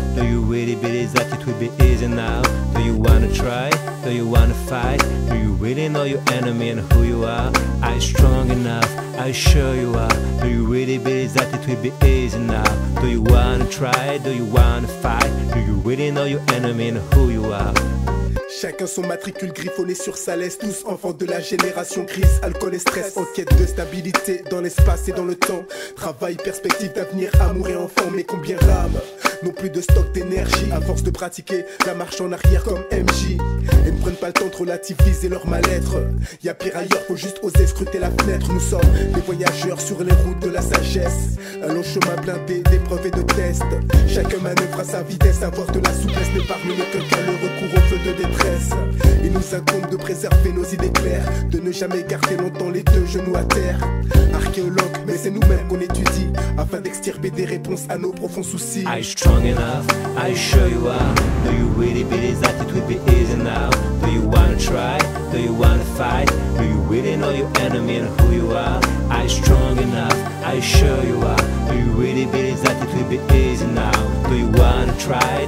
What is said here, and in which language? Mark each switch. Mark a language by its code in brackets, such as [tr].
[en] Do you really believe that it will be easy now? Do you wanna try? Do you wanna fight? Do you really know your enemy and who you are? Are you strong enough? Are you sure you are? Do you really believe that it will be easy now? Do you wanna try? Do you wanna fight? Do you really know your enemy and who you are? [fr] Chacun son matricule griffonné sur sa laisse. Tous enfants de la génération crise, alcool et stress. En quête de stabilité dans l'espace et dans le temps. Travail, perspective d'avenir, amour et enfant. Mais combien rame, non plus de stock d'énergie. À force de pratiquer la marche en arrière comme MJ. Et ne prennent pas le temps de relativiser leur mal-être. Y'a pire ailleurs, faut juste oser scruter la fenêtre. Nous sommes des voyageurs sur les routes de la sagesse. Un long chemin blindé d'épreuves et de tests. Chacun manœuvre à sa vitesse, avoir de la souplesse. Mais parmi les quelqu'un le recours au feu de détresse. Il nous incombe de préserver nos idées claires. De ne jamais garder longtemps les deux genoux à terre. Archéologues, mais c'est nous-mêmes qu'on étudie. Afin d'extirper des réponses à nos profonds soucis. [en] Are you strong enough? Are you sure you are? Do you really believe that it will be easy now? Do you wanna try? Do you wanna fight? Do you really know your enemy and who you are? Are you strong enough? Are you sure you are? Do you really believe that it will be easy now? Do you wanna try?